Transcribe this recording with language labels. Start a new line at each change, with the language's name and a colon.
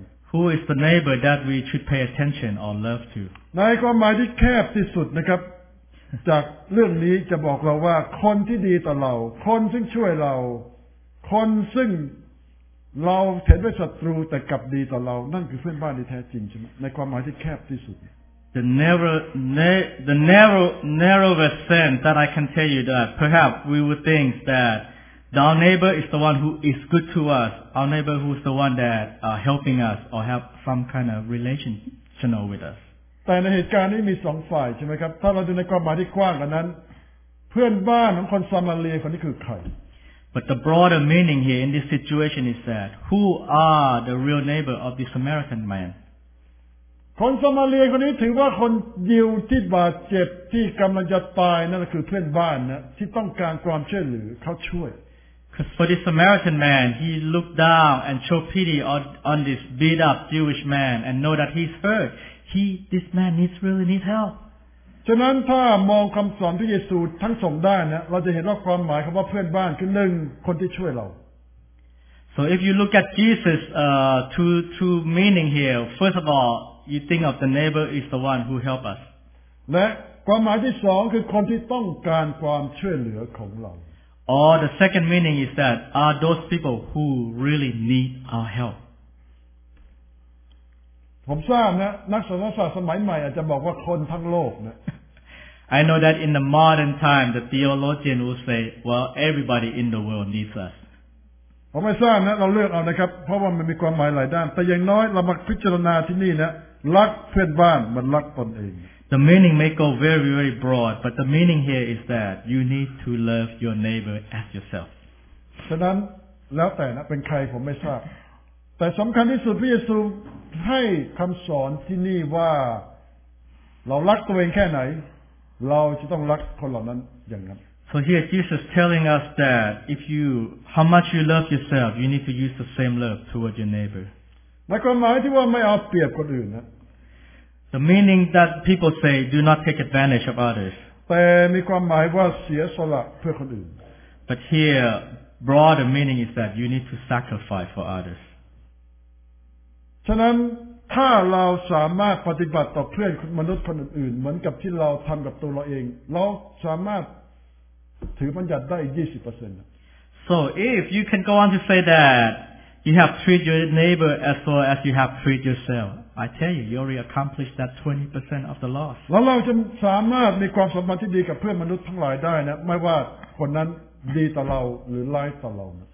English: Who is the neighbor that we should pay attention or love to?
Thai: ในความหมายที่แคบที่สุดนะครับจากเรื่องนี้จะบอกเราว่าคนที่ดีต่อเราคนซึ่งช่วยเราคนซึ่งเราเห็นเป็นศัตรูแต่กลับดีต่อเรานั่นคือเพื่อนบ้านที่แท้จริงใช่ไหมในความหมายที่แคบที่สุด
English: The narrowest sense that I can tell you that perhaps we would think that our neighbor is the one who is good to us, our neighbor who is the one that helping us or have some kind of relational with us.
Thai: แต่ในเหตุการณ์นี้มีสองฝ่ายใช่ไหมครับถ้าเราดูในความหมายที่กว้างกว่านั้นเพื่อนบ้านของคนซามารีคนนี้คือใคร
English: But the broader meaning here in this situation is that who are the real neighbor of this American man?
Thai: คนซามารีคนนี้ถือว่าคนยิวที่บาดเจ็บที่กำลังจะตายนั่นคือเพื่อนบ้านนะที่ต้องการความช่วยเหลือเขาช่วย
English: Because for this American man, he looked down and showed pity on this beat up Jewish man and know that he's hurt. This man really needs help.
Thai: ฉะนั้นถ้ามองคำสอนพระเยซูทั้งสองด้านนะเราจะเห็นว่าความหมายคำว่าเพื่อนบ้านคือหนึ่งคนที่ช่วยเรา
English: So if you look at Jesus two meaning here first of all you think of the neighbor is the one who help us
Thai: และความหมายที่สองคือคนที่ต้องการความช่วยเหลือของเรา
English: Or the second meaning is that are those people who really need our help
Thai: ผมทราบนะนักศาสนศาสตร์สมัยใหม่อาจจะบอกว่าคนทั้งโลกนะ
English: I know that in the modern time, the theologian will say, well, everybody in the world needs us.
Thai: ผมไม่ทราบนะเราเลือกเอานะครับเพราะว่ามันมีความหมายหลายด้านแต่อย่างน้อยเรามาพิจารณาที่นี่นะรักเพื่อนบ้านมันรักตนเอง
English: The meaning may go very, very broad, but the meaning here is that you need to love your neighbor as yourself.
Thai: ฉะนั้นแล้วแต่นะเป็นใครผมไม่ทราบแต่สำคัญที่สุดพระเยซูให้คำสอนที่นี่ว่าเรารักตัวเองแค่ไหนเราจะต้องรักคนเหล่านั้นอย่างนั้น
English: So here Jesus telling us that if you how much you love yourself you need to use the same love toward your neighbor
Thai: ในความหมายที่ว่าไม่เอาเปรียบคนอื่นนะ
English: The meaning that people say do not take advantage of others
Thai: แต่มีความหมายว่าเสียสละเพื่อคนอื่น
English: But here broader meaning is that you need to sacrifice for others
Thai: ฉะนั้นถ้าเราสามารถปฏิบัติต่อเพื่อนมนุษย์คนอื่นเหมือนกับที่เราทำกับตัวเราเองเราสามารถถือบัญญัติได้ 20%
English: So if you can go on to say that you have treat your neighbor as well as you have treat yourself I tell you already accomplished that 20% of the loss
Thai: แล้วเราจะสามารถมีความสัมพันธ์ที่ดีกับเพื่อนมนุษย์ทั้งหลายได้นะไม่ว่าคนนั้นดีต่อเราหรือร้ายต่อเรา